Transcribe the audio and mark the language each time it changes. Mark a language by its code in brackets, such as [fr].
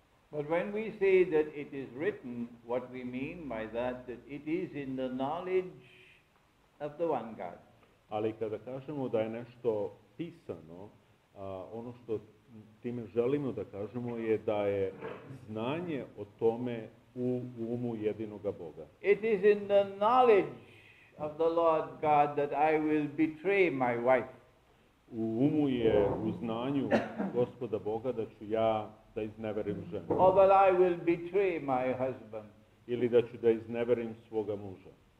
[en] But when we say that it is written, what we mean by that, that it is in the knowledge of the one God. [sr] Ali kada kažemo da je nešto pisano, ono što time želimo da kažemo je da je znanje o tome u umu jedinoga Boga. [en] It is in the knowledge of the Lord God that I will betray my wife. [sr] U umu je, u znanju Gospoda Boga da ću ja da izneverim ženu. [en] Or that I will betray my husband. [sr] Ili da ću da izneverim svoga muža.